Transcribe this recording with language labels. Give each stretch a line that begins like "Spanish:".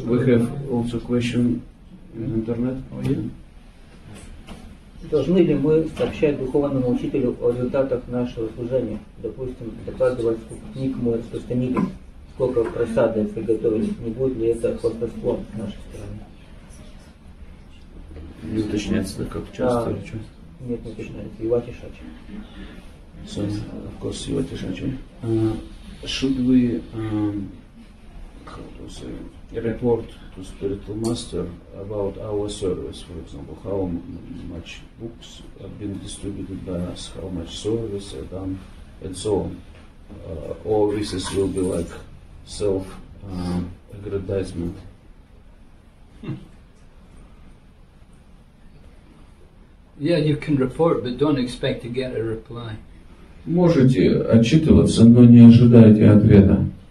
English: So we have also a question in the internet. Oh, yeah.
Russian: Должны ли мы сообщать духовному учителю о результатах нашего служения? Допустим, докладывать, сколько книг мы распространили, сколько просады приготовили, не будет ли это хвастовством с нашей стороны? Не уточняется, так как часто или что? Нет, не уточняется. Ивати Шачи.
English: So, of course, Ивати Шачи. Should we, how to say, report to spiritual master about our service, for example, how much books have been distributed by us, how much service are done, and so on. All this is will be like self aggrandizement. Yeah, you can report, but don't expect to get a reply.
Russian: Можете отчитываться, но не ожидайте ответа.